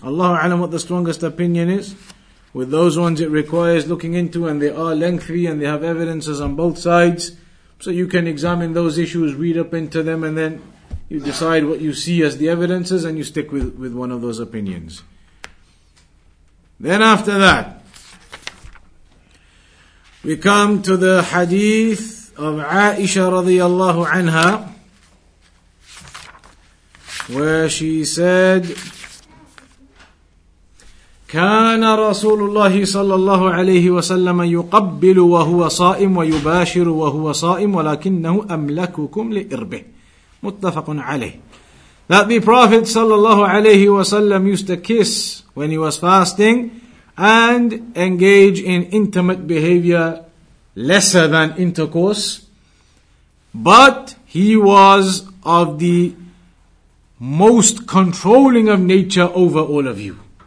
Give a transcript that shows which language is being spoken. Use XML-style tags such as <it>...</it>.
<en>Allahu a'lam what the strongest opinion is. With those ones it requires looking into, and they are lengthy and they have evidences on both sides. So you can examine those issues, read up into them, and then you decide what you see as the evidences and you stick with one of those opinions. Then after that, we come to the hadith of Aisha radiallahu anha, where she said,</en> <ar>كان رسول الله صلى الله عليه وسلم يقبل وهو صائم ويباشر وهو صائم ولكنه أملككم لإربه. متفق عليه.</ar> <en>That the Prophet</en> <ar>صلى الله عليه وسلم</ar> <en>used to kiss when he was fasting and engage in intimate behavior lesser than intercourse, but he was of the most controlling of nature over all of you.</en>